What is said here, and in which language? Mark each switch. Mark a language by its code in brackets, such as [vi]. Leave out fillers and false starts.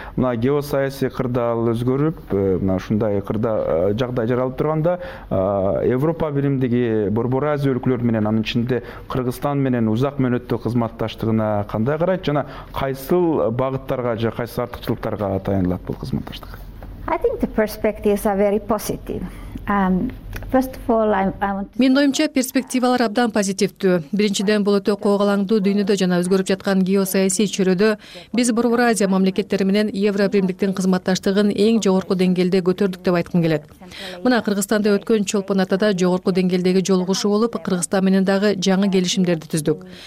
[ky] Мына геосаясий кырдаал өзгөрүп, мына ушундай жагдай жаралып турганда Европа Биримдиги Борбор Азия өлкөлөрү менен анын ичинде Кыргызстан менен узак мөөнөттүү кызматташтыгына кандай карайт жана кайсыл багыттарга же кайсыл артыкчылыктарга таянылат бул кызматташтык? [en] I think the perspectives are very positive. First of all, [ky] Менин оюмча перспективалар абдан позитивдүү. Биринчиден, бул өтө кооз алаңдуу дүйнөдө жана өзгөрүп жаткан геосаясий чөйрөдө биз Борбор Азия мамлекеттери менен Евробиримдиктин кызматташтыгын эң жогорку деңгээлде көтөрдүк деп айткым келет. Мына Кыргызстанда өткөн Чолпон Атада жогорку деңгээлдеги жолугушуу болуп, Кыргызстан менен дагы жаңы келишимдерди түздүк.